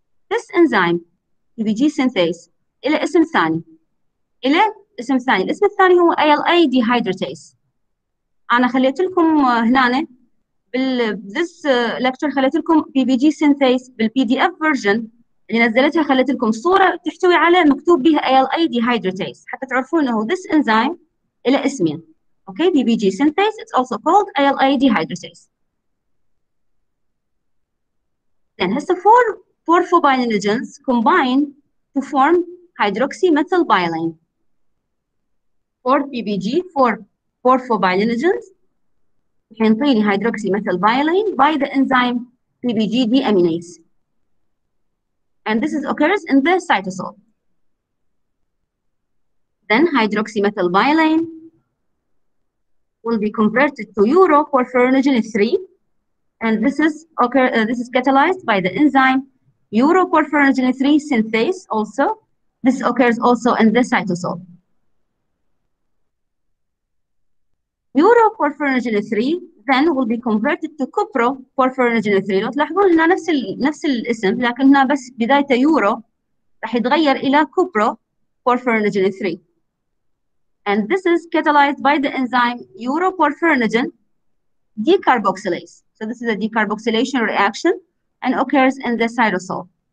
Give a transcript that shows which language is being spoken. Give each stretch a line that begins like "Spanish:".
English: This enzyme
Arabic: PBG synthase له اسم ثاني، له اسم ثاني، الاسم الثاني هو ALA dehydratase. أنا خليت لكم هنا بال
English: this lecture
Arabic: خليت لكم PBG synthase بال PDF version اللي نزلتها، خليت لكم صورة تحتوي على مكتوب بها ALA dehydratase حتى تعرفون أنه
English: this enzyme
Arabic: إلى اسمين.
English: Okay, DBG synthase, it's also called ALA dehydrogenase. Then has the four porphobilinogens combine to form hydroxymethylbilane. Four DBG, four porphobilinogens contain hydroxymethylbilane by the enzyme DBG deaminase. And this occurs in the cytosol. Then hydroxymethylbilane will be converted to uroporphyrinogen 3, and this is catalyzed by the enzyme uroporphyrinogen 3 synthase also. This occurs also in the cytosol. Uroporphyrinogen 3 then will be converted to cuproporphyrinogen 3.
Arabic: لو تلاحظوا هنا نفس الاسم لكن هنا بس بداية يورو راح يتغير إلى cuproporphyrinogen 3.
English: And this is catalyzed by the enzyme uroporphyrinogen decarboxylase. So this is a decarboxylation reaction and occurs in the cytosol.